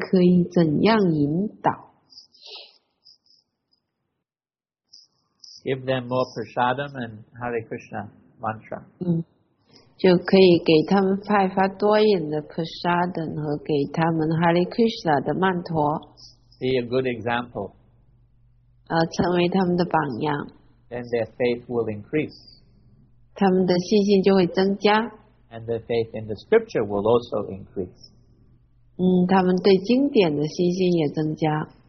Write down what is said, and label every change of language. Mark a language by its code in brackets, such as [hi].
[zh] 瓦坛，博雅瓦坛里面的内容是经典和真实的，他们会因为不完全相信而困扰。我们可以怎样引导？ [en] Give them more prasadam and Hare Krishna mantra. [zh] 就可以给他们派发多一点的 prasadam 和给他们 Hare Krishna 的曼陀。 [en] Be a good example. [zh] 成为他们的榜样。 [en] Then their faith will increase. [zh] 他们的信心就会增加。 [en] And their faith in the scripture will also increase. [zh] 他们对经典的信心也增加。